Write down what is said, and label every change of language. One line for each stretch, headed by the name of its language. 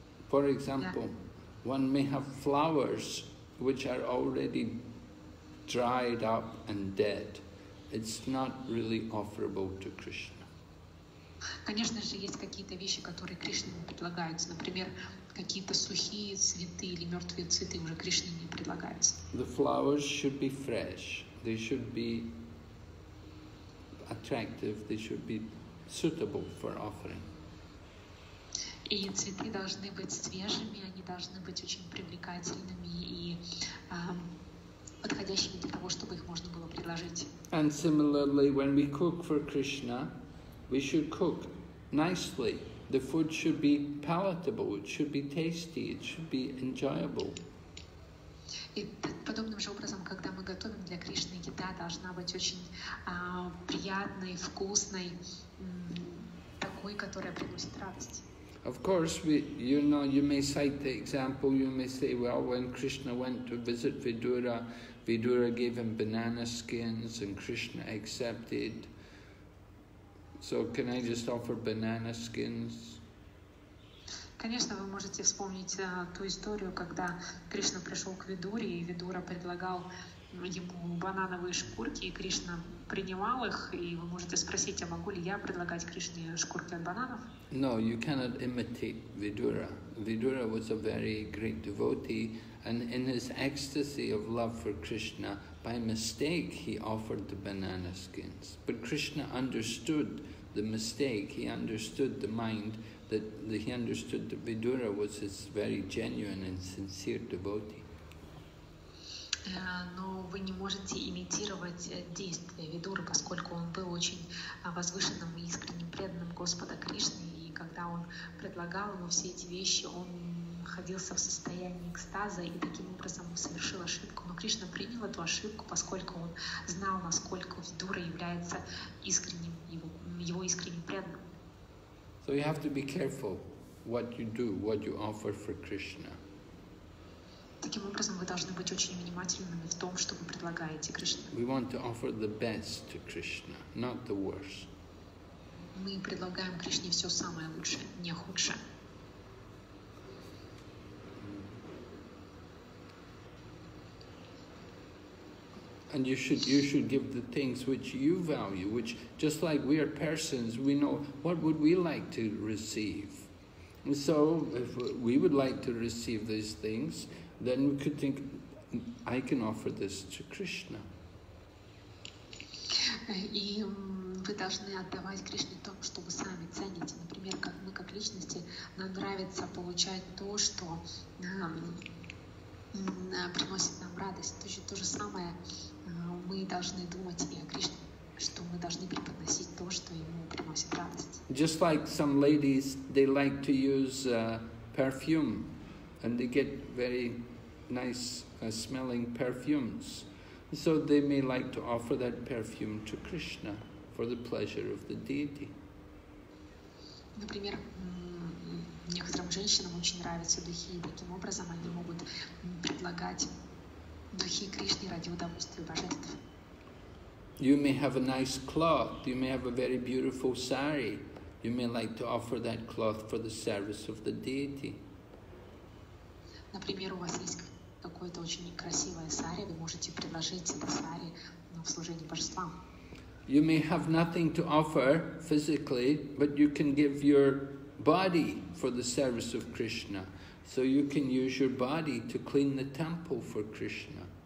English: For example, yeah. One may have flowers which are already dried up and dead. It's not really offerable to Krishna.
Russian: Конечно же, есть какие-то вещи, которые Кришне не предлагаются. Например, какие-то сухие цветы или мертвые цветы уже Кришне не предлагаются.
English: The flowers should be fresh. They should be attractive. They should be suitable for offering.
Russian: И цветы должны быть свежими, они должны быть очень привлекательными и подходящими для того, чтобы их можно было предложить.
English: And similarly, when we cook for Krishna, we should cook nicely. The food should be palatable, it should be tasty, it should be enjoyable.
Russian: И подобным же образом, когда мы готовим для Кришны, еда должна быть очень приятной, вкусной, такой, которая приносит радость.
English: Of course, you may cite the example, you may say, well, when Krishna went to visit Vidura, Vidura gave him banana skins and Krishna accepted. So can I just offer banana skins?
Russian: Конечно, вы можете вспомнить ту историю, когда Кришна пришел к Видуре, и Видура предлагал ему банановые шкурки, и Кришна принимал их, и вы можете спросить, а могу ли я предлагать Кришне шкурки от бананов?
English: No, you cannot imitate Vidura. Vidura was a very great devotee, and in his ecstasy of love for Krishna, by mistake he offered the banana skins. But Krishna understood the mistake, he understood the mind, that he understood that Vidura was his very genuine and sincere devotee.
Russian: Но вы не можете имитировать действия Видуры, поскольку он был очень возвышенным и искренним преданным Господа Кришны, и когда он предлагал ему все эти вещи, он находился в состоянии экстаза и таким образом совершил ошибку. Но Кришна принял эту ошибку, поскольку он знал, насколько Видура является искренним, его искренним преданным.
English: So you have to be careful what you do, what you offer for Krishna.
Russian: Таким образом, вы должны быть очень внимательными в том, что вы предлагаете Кришне.
English: We want to offer the best to Krishna, not the worst.
Russian: Мы предлагаем Кришне все самое лучшее, не худшее.
English: And you should give the things which you value, which just like we are persons, we know what would we like to receive. And so if we would like to receive these things, then we could think, I can offer this to Krishna.
Russian: И вы должны отдавать Кришне то, что вы сами цените. Например, как мы как личности, нам нравится получать то, что приносит нам радость. То же самое. Мы должны думать и о Кришне, что мы должны преподносить то, что ему приносит радость.
English: Just like some ladies, they like to use perfume, and they get very nice smelling perfumes. So they may like to offer that perfume to Krishna for the pleasure of the deity.
Russian: Например, некоторым женщинам очень нравятся духи, и таким образом они могут предлагать духи Кришне ради удовольствия божеств.
English: You may have a nice cloth, you may have a very beautiful sari. You may like to offer that cloth for the service of the deity.
Russian: Например, у вас есть какое-то очень красивое сари, вы можете предложить это сари в служении божествам.
English: You may have nothing to offer physically, but you can give your body for the service of Krishna. So you can use your body to clean the temple for Krishna.